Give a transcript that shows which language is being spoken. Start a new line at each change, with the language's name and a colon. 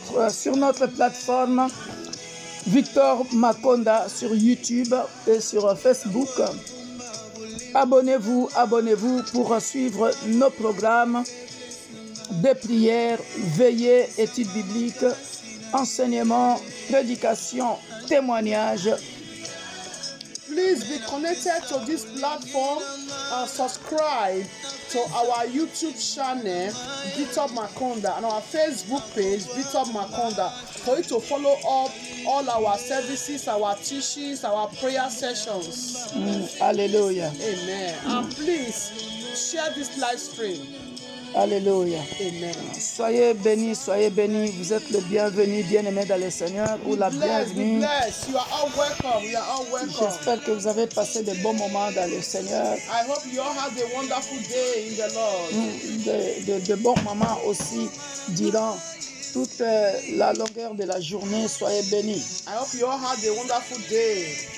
French: Sur notre plateforme, Victor Makonda sur YouTube et sur Facebook. Abonnez-vous pour suivre nos programmes de prières, veillées, études bibliques, enseignements, prédications, témoignages.
English: Please be connected to this platform and subscribe to our YouTube channel, Victor Makonda, and our Facebook page, Victor Makonda, for you to follow up all our services, our teachings, our prayer sessions. Hallelujah. Amen. And please share this live stream.
French: Alléluia. Amen. Soyez bénis. Vous êtes le bienvenu, bien-aimé dans le Seigneur, ou la bienvenue.
English: You are all welcome. You are all welcome.
French: J'espère que vous avez passé de bons moments dans le Seigneur.
English: I hope you all had a wonderful day in the Lord.
French: De bons moments aussi durant toute la longueur de la journée. Soyez bénis.
English: I hope you all had a wonderful day.